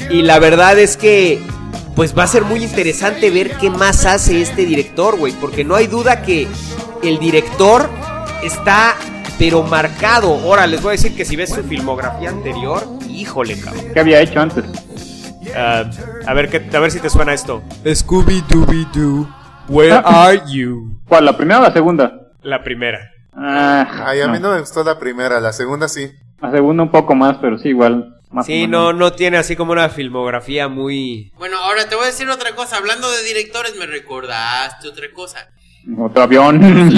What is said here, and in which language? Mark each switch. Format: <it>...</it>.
<es>Y la verdad es que pues va a ser muy interesante ver qué más hace este director, güey, porque no hay duda que el director está pero marcado. Ahora, les voy a decir que si ves su filmografía anterior, híjole, cabrón. ¿Qué había hecho antes? A ver si te suena esto.</es> <en>Scooby-Dooby-Doo, where are you?</en> <es>¿Cuál, la primera o la segunda? La primera. Ay, a mí no me gustó la primera, la segunda sí. La segunda un poco más, pero sí, igual. Más sí, no, no tiene así como una filmografía muy... Bueno, ahora te voy a decir otra cosa. Hablando de directores, me recordaste otra cosa. Otro avión.</es>